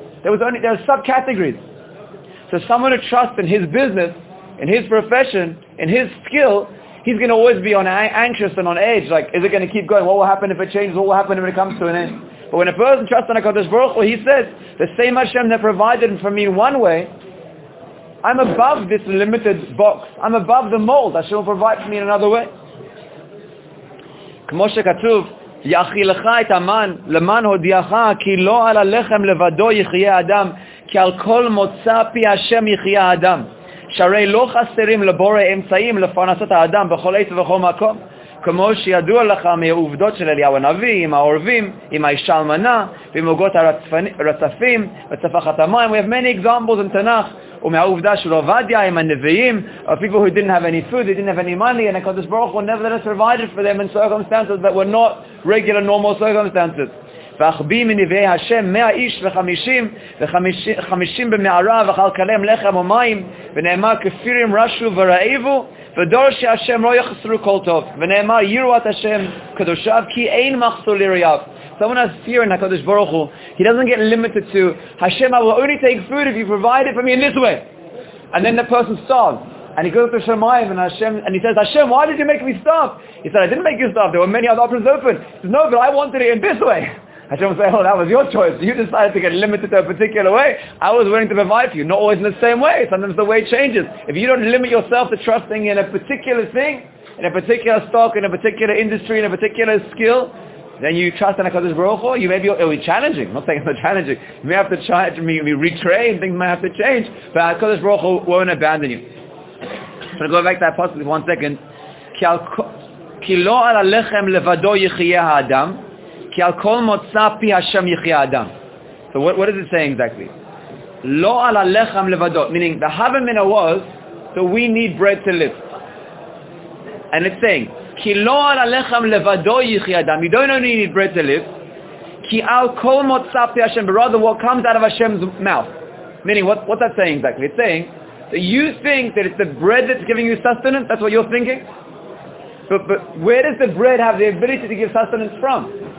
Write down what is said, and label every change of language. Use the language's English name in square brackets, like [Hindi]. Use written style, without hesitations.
[English] There are subcategories. So someone who trusts in his business, in his profession, in his skill, he's going to always be on anxious and on edge. Like, is it going to keep going? What will happen if it changes? What will happen when it comes to an end? But when a person trusts in HaKadosh Baruch Hu, he says, the same Hashem that provided for me one way, I'm above this limited box. I'm above the mold. Hashem will provide for me in another way. [Hebrew] כמו שכתוב, יאכילך את המן למען הודיעך כי לא על הלחם לבדו יחיה אדם, כי על כל מוצא פי השם יחיה אדם. שהרי לא חסרים לבורא אמצעים לפרנסת האדם בכל עת ובכל מקום. כמו שידוע לך מהעובדות של אליהו הנביא, עם העורבים, עם האישה אלמנה, ועם עוגות הרצפים, וצפחת המים. [English] We have many examples in Tanakh. [Hebrew] ומהעובדה של עובדיה עם הנביאים, [English] of people who didn't have any food, they didn't have any money, and HaKadosh Baruch Hu nevertheless provided for them in circumstances that were not regular, normal circumstances. [Hebrew] ואחבי מנביאי השם, 100 איש וחמישים, וחמישים במערה, וחלקלם לחם ומים, ונאמר כפירים רשו ורעבו, ודור שהשם לא יחסרו כל טוב, ונאמר ירועת השם קדושיו, כי אין מחסור לירייו. [English] Someone has fear in HaKadosh Baruch Hu. He doesn't get limited to, Hashem, I will only take food if you provide it for me in this way. And then the person starves. And he goes to Shemayim and Hashem, and he says, Hashem, why did you make me starve? He said, I didn't make you starve. There were many other options open. He says, no, but I wanted it in this way. Hashem will say, oh, that was your choice. You decided to get limited to a particular way. I was willing to provide for you. Not always in the same way. Sometimes the way changes. If you don't limit yourself to trusting in a particular thing, in a particular stock, in a particular industry, in a particular skill, then you trust in HaKadosh Baruch Hu, you may be, it'll be challenging. I'm not saying it's not challenging. You may have to retrain, things may have to change, but HaKadosh Baruch Hu won't abandon you. I'm going to go back to that possibly one second. [Hebrew] Ki lo al alechem levado yichiyeh ha'adam, [English] ki al kol motza pi Hashem yichiyeh ha'adam. So what is it saying exactly? [Hebrew] Lo al alechem levado, [English] meaning the Havamina was that we need bread to live. And it's saying, [Hebrew] כי לא על הלחם לבדו יחי אדם. [English] You don't only need bread to live. [Hebrew] כי על כל מוצא פי השם, [English] but rather what comes out of Hashem's mouth. Meaning, what's that saying exactly? It's saying that you think that it's the bread that's giving you sustenance. That's what you're thinking. But where does the bread have the ability to give sustenance from?